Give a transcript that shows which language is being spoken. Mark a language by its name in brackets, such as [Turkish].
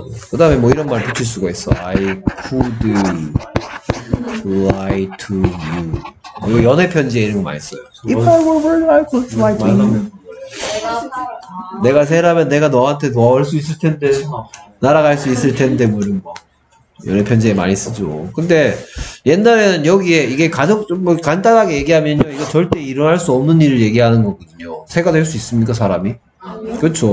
[Korean] 그 다음에 뭐 이런 말 붙일 수가 있어. [English] I could fly to you. [Korean] 뭐 이거 연애편지에 이런 거 많이 써요. [English] If I were a bird, I could fly to you. [Korean] 내가 새라면 내가 너한테 더할 수 있을 텐데, 날아갈 수 있을 텐데, 뭐 이런 거. 연애편지에 많이 쓰죠. 근데 옛날에는 여기에 이게 가족, 뭐 간단하게 얘기하면요. 이거 절대 일어날 수 없는 일을 얘기하는 거거든요. 새가 될 수 있습니까, 사람이? 그렇죠.